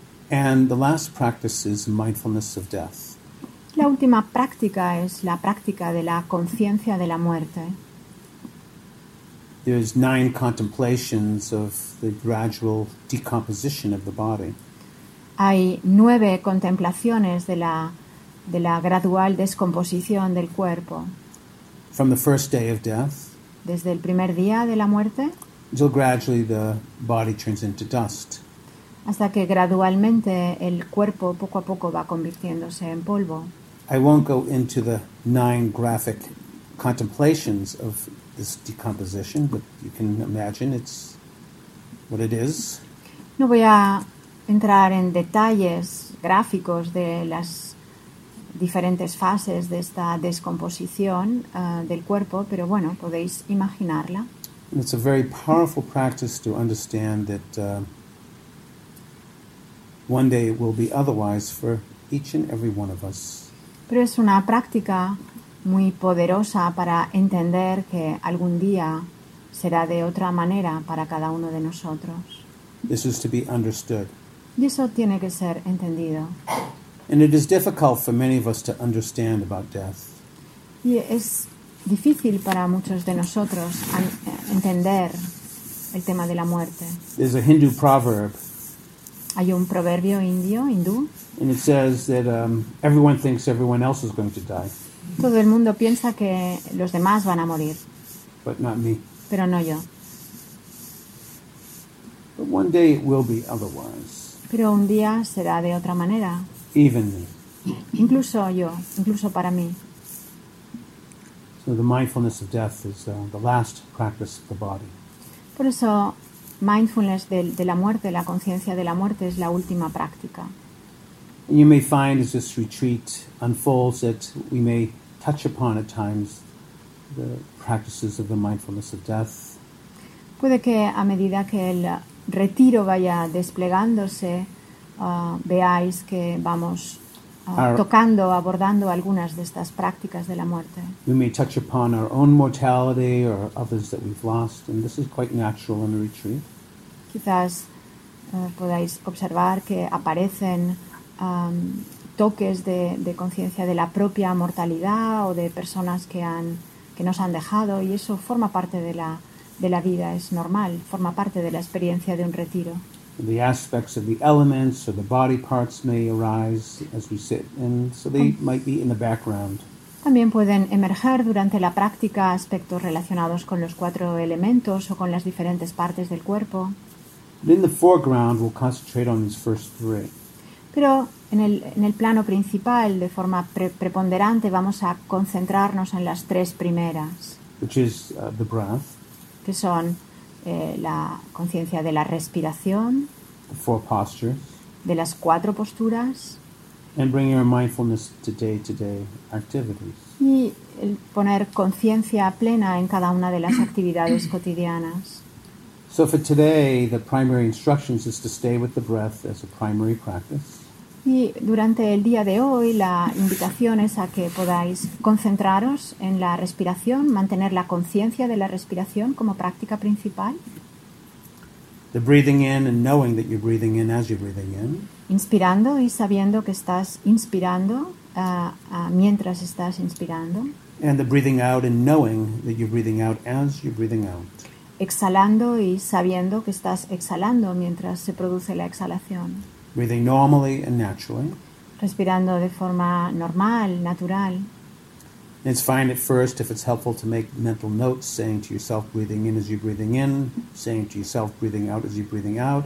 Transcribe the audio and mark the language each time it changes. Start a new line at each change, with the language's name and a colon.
English: And the last practice is mindfulness of death.
Spanish: La última práctica es la práctica de la conciencia de la muerte.
English: There's nine contemplations of the gradual decomposition of the body.
Spanish: Hay nueve contemplaciones de la gradual descomposición del cuerpo.
English: From the first day of death,
Spanish: desde el primer día de la muerte,
English: until gradually the body turns into dust,
Spanish: hasta que gradualmente el cuerpo poco a poco va convirtiéndose en polvo.
English: I won't go into the nine graphic contemplations of this decomposition, but you can imagine it's what it is.
Spanish: No voy a entrar en detalles gráficos de las diferentes fases de esta descomposición del cuerpo, pero bueno, podéis imaginarla.
English: And it's a very powerful practice to understand that one day it will be otherwise for each and every one of us.
Spanish: Pero es una práctica muy poderosa para entender que algún día será de otra manera para cada uno de nosotros.
English: This is to be understood.
Spanish: Y eso tiene que ser entendido.
English: And it is difficult for many of us to understand about death.
Spanish: Y es difícil para muchos de nosotros entender el tema de la muerte.
English: There's a Hindu proverb.
Spanish: Hay un proverbio indio, hindú.
English: And it says that everyone thinks everyone else is going to die.
Spanish: Todo el mundo piensa que los demás van a morir.
English: But not me.
Spanish: Pero no yo.
English: But one day it will be otherwise.
Spanish: Pero un día será de otra manera.
English: Even me.
Spanish: Incluso yo, incluso para mí.
English: So the mindfulness of death is the last practice of the body.
Spanish: Por eso, mindfulness de la muerte, la conciencia de la muerte es la última práctica.
English: You may find as this retreat unfolds that we may touch upon at times the practices of the mindfulness of death.
Spanish: Puede que a medida que el retiro vaya desplegándose, veáis que vamos tocando, abordando algunas de estas prácticas de la muerte.
English: We may touch upon our own mortality or others that we've lost, and this is quite natural in a retreat.
Spanish: Quizás podáis observar que aparecen toques de conciencia de la propia mortalidad o de personas que nos han dejado, y eso forma parte de la vida, es normal, forma parte de la experiencia de un retiro.
English: The aspects of the elements or the body parts may arise as we sit, and so they might be in the background.
Spanish: También pueden emerger durante la práctica aspectos relacionados con los cuatro elementos o con las diferentes partes del cuerpo.
English: But in the foreground, we'll concentrate on these first three.
Spanish: Pero en el plano principal, de forma preponderante, vamos a concentrarnos en las tres primeras,
English: which is the breath,
Spanish: que son la conciencia de la respiración,
English: the four postures,
Spanish: de las cuatro posturas,
English: and bring your mindfulness to day-to-day activities,
Spanish: y el poner conciencia plena en cada una de las actividades cotidianas.
English: So for today, the primary instructions is to stay with the breath as a primary practice.
Spanish: Y durante el día de hoy, la invitación es a que podáis concentraros en la respiración, mantener la conciencia de la respiración como práctica principal.
English: The breathing in and knowing that you're breathing in as you're breathing in.
Spanish: Inspirando y sabiendo que estás inspirando mientras estás inspirando.
English: And the breathing out and knowing that you're breathing out as you're breathing out.
Spanish: Exhalando y sabiendo que estás exhalando mientras se produce la exhalación.
English: Breathing normally and naturally.
Spanish: Respirando de forma normal, natural.
English: It's fine at first if it's helpful to make mental notes, saying to yourself, breathing in as you're breathing in, saying to yourself, breathing out as you're breathing out.